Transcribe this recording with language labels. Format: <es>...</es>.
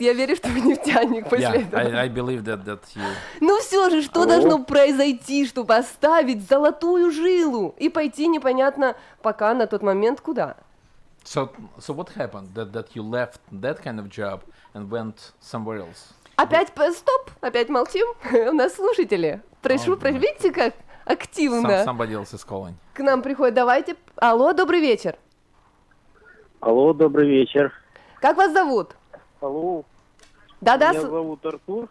<ru>Я верю, что вы нефтяник после этого.</ru> <en>Yeah, I believe that you...</en> <ru>Ну все же, что должно произойти, чтобы оставить золотую жилу и пойти непонятно пока на тот момент куда?</ru> <en>So what happened? That you left that kind of job and went somewhere else?</en> <ru>Опять стоп, опять молчим. У нас слушатели. Прошу, видите, как... Активно.</ru> <en>Somebody else is calling.</en> <ru>К нам приходит. Давайте. Алло, добрый вечер. Алло, добрый вечер. Как вас зовут? Алло. Да-да. Меня зовут Артур.</ru>